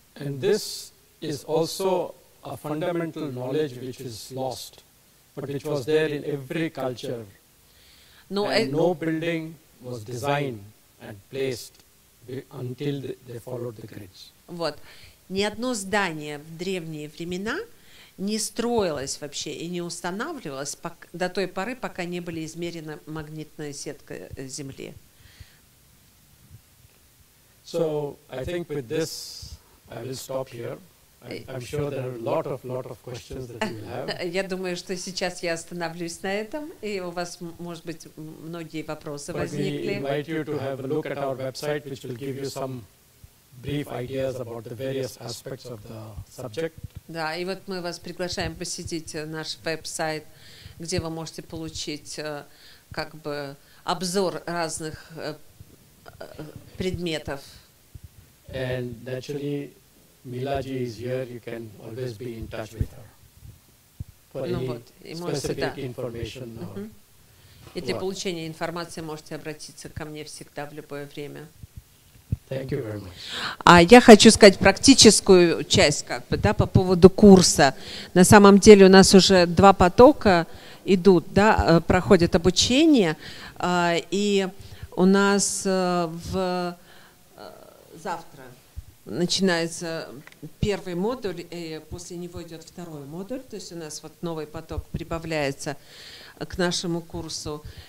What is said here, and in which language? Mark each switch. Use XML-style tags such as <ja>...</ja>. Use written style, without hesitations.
<en>And this is also a fundamental knowledge which is lost, but which was there in every culture. No, and no building was designed and placed until they followed the grids.</en> <ru>Вот. Ни одно здание в древние времена не строилось вообще и не устанавливалось до той поры, пока не были измерены магнитная сетка Земли.</ru> <en>So, I think with this I will stop here. I'm sure there are a lot of questions that you will have.</en> <ru>Я думаю, что сейчас я остановлюсь на этом, и у вас, может быть, многие вопросы возникли.</ru> <en>But we invite you to have a look at our website, which will give you some brief ideas about the various aspects of the subject.</en> <ru>Да, и вот мы вас приглашаем посетить наш веб-сайт, где вы можете получить как бы обзор разных предметов.</ru> <en>And naturally, Миладжи is here. You can always be in touch with her for any specific information.</en> <ru>И для получения информации можете обратиться ко мне всегда в любое время.</ru> <en>Thank you very much.</en> <ru>А я хочу сказать практическую часть, как бы, да, по поводу курса. На самом деле у нас уже два потока идут, да, проходят обучение, и у нас завтра начинается первый модуль, и после него идет второй модуль, то есть у нас вот новый поток прибавляется к нашему курсу.</ru>